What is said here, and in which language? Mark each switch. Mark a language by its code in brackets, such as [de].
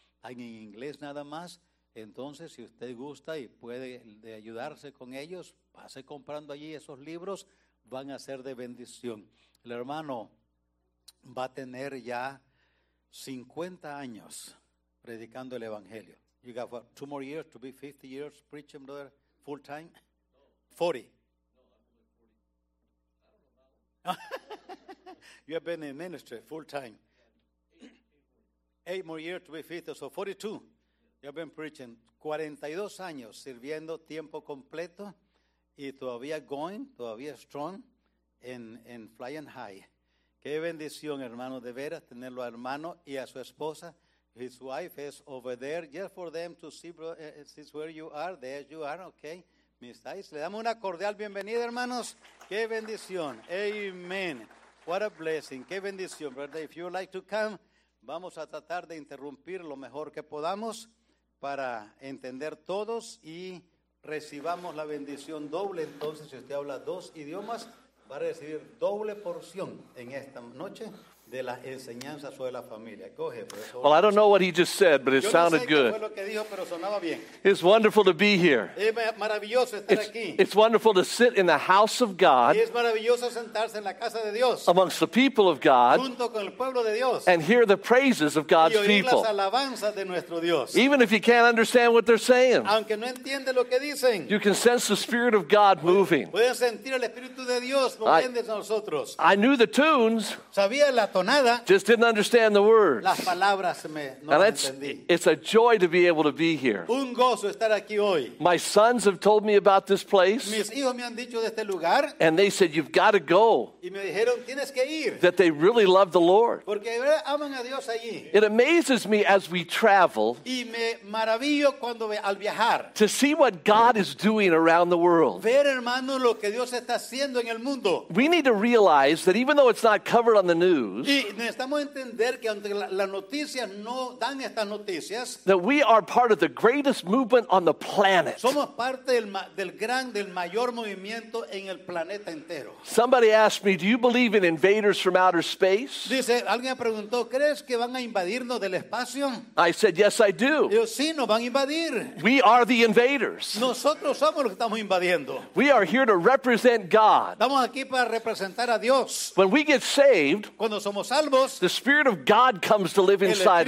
[es] Hay en inglés nada más. Entonces, si usted gusta y puede de ayudarse con ellos, pase comprando allí esos libros. Van a ser de bendición. El hermano va a tener ya 50 años predicando el evangelio. [en] You got what, two more years to be 50 years preaching, brother, full time? No. 40. No, I'm only 40. I don't know. You have been in ministry full time. Eight more years to be 50, so 42. Yeah. You have been preaching [es] 42 años sirviendo tiempo completo y todavía [en] going, todavía strong and flying high. [es] Qué bendición, hermano, de veras, tenerlo a hermano y a su esposa. [en] His wife is over there. Just for them to see, bro, since where you are, there you are, okay. [es] Miss Thais, le damos una cordial bienvenida, hermanos. Qué bendición. Amen. [en] What a blessing. [es] Qué bendición, brother. [en] If you would like to come, [es] vamos a tratar de interrumpir lo mejor que podamos para entender todos y recibamos la bendición doble. Entonces, si usted habla dos idiomas, va a recibir doble porción en esta noche de las enseñanzas sobre la familia. Coge, profesor. [en] Well, I don't know what he just said, but it sounded good. [es] Yo no sé qué fue lo que dijo, pero sonaba bien. [en] It's wonderful to be here. [es] Es maravilloso estar aquí. [en] It's wonderful to sit in the house of God. [es] Y es maravilloso sentarse en la casa de Dios. [en] Amongst the people of God. [es] Junto con el pueblo de Dios. [en] And hear the praises of God's people. [es] Y oír las alabanzas de nuestro Dios. [en] Even if you can't understand what they're saying. [es] Aunque no entiende lo que dicen. [en] You can sense the Spirit of God moving. [es] Pueden sentir el Espíritu de Dios moviéndose a nosotros. [en] I knew the tunes. [es] Sabía la tonada. [en] Just didn't understand the words. [es] Las palabras me no [en] and it's, [es] entendí. [en] It's a joy to be able to be here. [es] Un gozo estar aquí hoy. [en] My sons have told me about this place. [es] Mis hijos me han dicho de este lugar. [en] And they said, you've got to go. [es] Y me dijeron, tienes que ir. [en] That they really love the Lord. [es] Porque aman a Dios allí. [en] It amazes me as we travel. [es] Y me maravillo cuando al viajar. [en] To see what God is doing around the world. [es] Ver, hermano, lo que Dios está haciendo en el mundo. [en] We need to realize that even though it's not covered on the news. [es] Y necesitamos entender que aunque las noticias no dan estas noticias, [en] that we are part of the greatest movement on the planet. [es] Somos parte del mayor movimiento en el planeta entero. [en] Somebody asked me, do you believe in invaders from outer space? [es] Dice, alguien preguntó, ¿crees que van a invadirnos del espacio? [en] I said, yes, I do. [es] Yo, sí, nos van a invadir. [en] We are the invaders. [es] Nosotros somos los que estamos invadiendo. [en] We are here to represent God. [es] Estamos aquí para representar a Dios. [en] When we get saved, [es] cuando somos salvos, [en] the Spirit of God comes to live inside